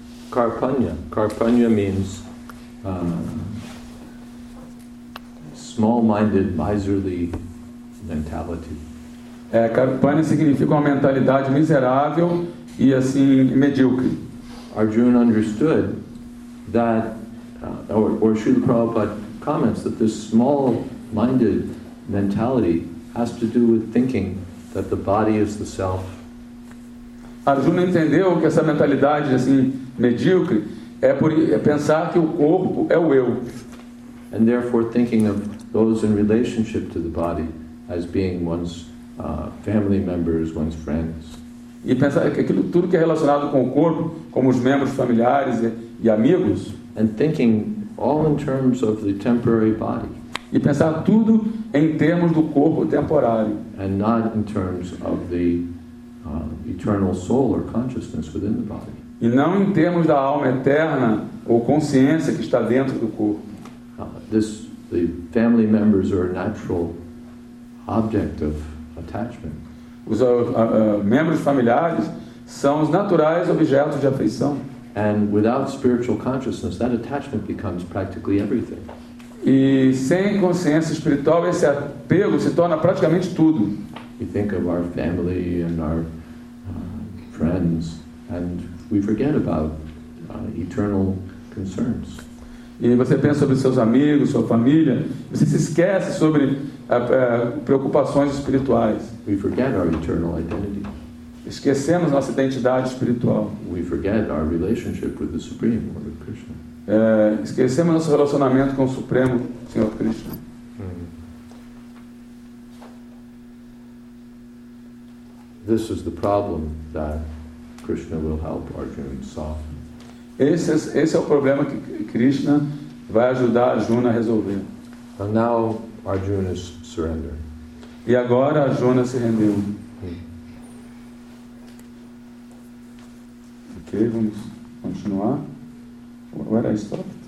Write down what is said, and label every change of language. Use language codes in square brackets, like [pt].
[en] Karpanya. Karpanya means small-minded, miserly mentality. [pt] Karpanya significa uma mentalidade miserável e assim medíocre. [en] Arjuna understood that, or Srila Prabhupada comments that this small-minded mentality has to do with thinking that the body is the self. [pt] Arjuna entendeu que essa mentalidade assim medíocre é por pensar que o corpo é o eu. [en] And therefore thinking of those in relationship to the body as being one's family members, one's friends. [pt] E pensar que aquilo tudo que é relacionado com o corpo, como os membros familiares e amigos, [en] and thinking all in terms of the temporary body. [pt] E pensar tudo em termos do corpo temporário. [en] And not in terms of the eternal soul or consciousness within the body. [pt] E não em termos da alma eterna ou consciência que está dentro do corpo. [en] The family members are a natural object of attachment. [pt] Os membros familiares são os naturais objetos de afeição. [en] And without spiritual consciousness, that attachment becomes practically everything. [pt] E sem consciência espiritual, esse apego se torna praticamente tudo. [en] We think of our family and our friends, and we forget about eternal concerns. [pt] E você pensa sobre seus amigos, sua família, você se esquece sobre preocupações espirituais. [en] We forget our eternal identity. [pt] Esquecemos nossa identidade espiritual. [en] We forget our relationship with the Supreme Lord Krishna. [pt] Esquecemos nosso relacionamento com o Supremo Senhor Krishna. [en] This is the problem that Krishna will help Arjuna solve. [pt] Esse é o problema que Krishna vai ajudar Arjuna a resolver. [en] And now Arjuna is surrendering. [pt] E agora Arjuna se rendeu. Ok, vamos continuar. [en] Where I stopped?